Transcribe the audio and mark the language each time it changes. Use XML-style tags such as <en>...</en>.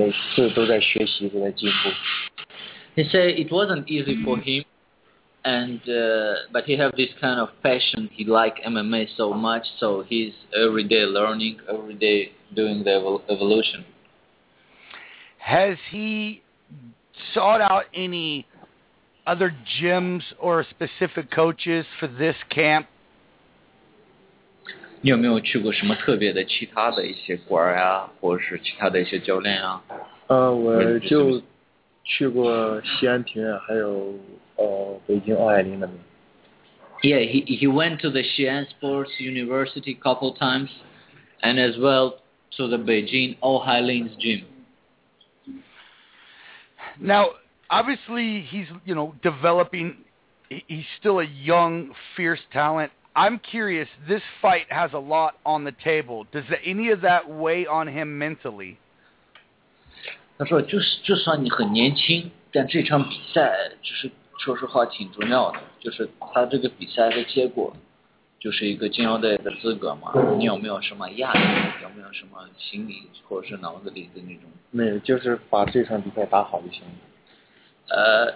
<zh>没说什么简单不简单，就是反正就比较喜欢这种综合格斗，然后接触这个，反正就是每次都在学习，都在进步。He</zh> <en>said it wasn't easy for him, and but he have this kind of passion. He like MMA so much, so he's every day learning, every day doing the evolution. Has he sought out any other gyms or specific coaches for this camp?</en> <zh>你有没有去过什么特别的其他的一些馆啊，或者是其他的一些教练啊？我就去过西安体院，还有北京奥海林那边。</zh> <en>Yeah, he went to the Xi'an Sports University a couple times, and as well to the Beijing Ohailin's gym. Now, obviously, he's, you know, developing. He's still a young, fierce talent. I'm curious, this fight has a lot on the table. Does any of that weigh on him mentally?</en> <zh>他说就算你很年轻，但这场比赛就是说实话挺重要的，就是他这个比赛的结果就是一个金腰带的资格嘛，你有没有什么压力，有没有什么心理或者是脑子里的那种？没有，就是把这场比赛打好就行了。</zh>